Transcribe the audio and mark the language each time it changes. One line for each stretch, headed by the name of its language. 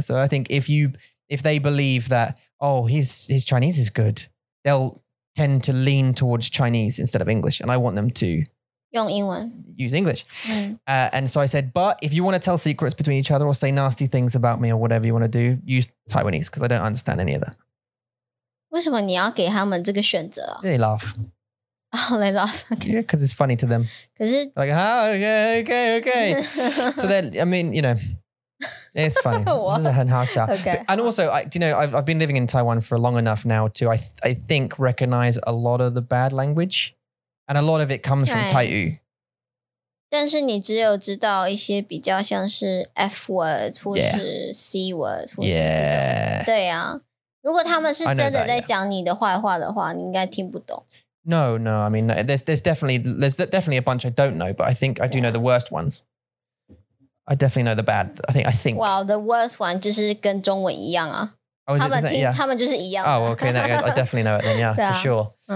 English: So I think if they believe that, oh, his Chinese is good, they'll tend to lean towards Chinese instead of English. And I want them to
Chinese: 用英文
English: use English. And so I said, but if you want to tell secrets between each other or say nasty things about me or whatever you want to do, use Taiwanese because I don't understand any of that.
Chinese: 为什么你要给他们这个选择?
English: They laugh. Oh, they laugh. Okay. Yeah, because it's funny to them.
Chinese: 可是
English: like, oh, okay. So then, I mean, you know, it's funny.
Chinese: 这是很好笑.
English: Okay. And also, I've been living in Taiwan for long enough now to, I think, recognize a lot of the bad language. And a lot of it comes from 泰语。
Chinese: 但是你只有知道一些比较像是 F words 或是 C words 或是这种。对啊。如果他们是真的在讲你的坏话的话，你应该听不懂。
English: No, I mean, there's definitely a bunch I don't know, but I think I do know the worst ones. I definitely know the bad, I think. Well, the worst one
Chinese: 就是跟中文一样啊。
English: Oh, is it, yeah.
Chinese: 他们就是一样的。
English: Oh, okay, I definitely know it then, yeah, for sure.